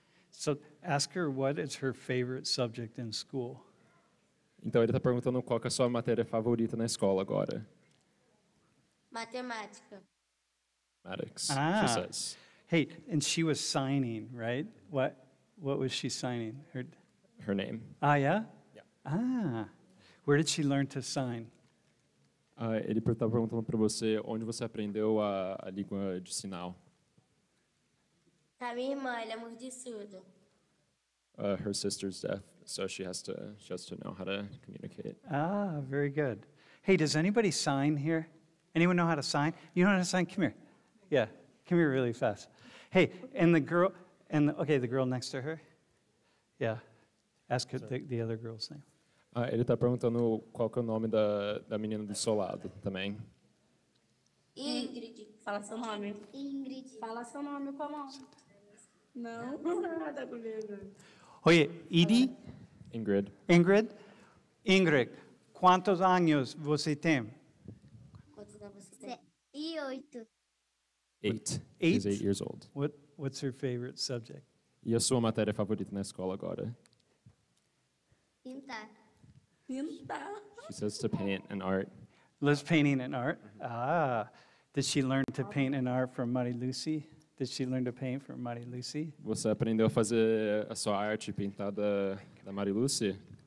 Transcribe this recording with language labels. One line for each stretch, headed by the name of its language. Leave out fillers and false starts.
English: So ask her what is her favorite subject in school.
Portuguese: Então ele está perguntando qual que é a sua matéria favorita na escola agora. Matemática.
English: Mathematics, she says. Hey, and she was signing, right? What was she signing? Her name. Ah, yeah? Yeah. Ah, where did she learn to sign?
Portuguese: Ele está perguntando para você onde você aprendeu a língua de sinal. Tá, minha irmã, ela é muito surda.
English: Her sister's deaf, so she has to know how to communicate. Ah, very good. Hey, does anybody sign here? Anyone know how to sign? You know how to sign? Come here. Yeah, come here really fast. Hey, and the girl, the girl next to her? Yeah, ask her the other girl's name.
Portuguese: Ele tá perguntando qual que é o nome da menina do seu lado também. Ingrid. Fala seu nome. Ingrid. Fala seu nome com a mão. Não, tá com medo. Oi, Edie? Ingrid. Ingrid? Ingrid, quantos anos você tem? Quantos anos você tem? E 8.
English: 8. She's 8 years old. What's her favorite subject?
Portuguese: E a sua matéria favorita na escola agora? Pintar.
English: She says to paint and art. Liz painting and art? Mm-hmm. Ah. Did she learn to paint and art from Mighty Lucy? Did she learn to paint from Mighty Lucy?
Portuguese: Você aprendeu a fazer a sua arte pintada da Mighty Lucy?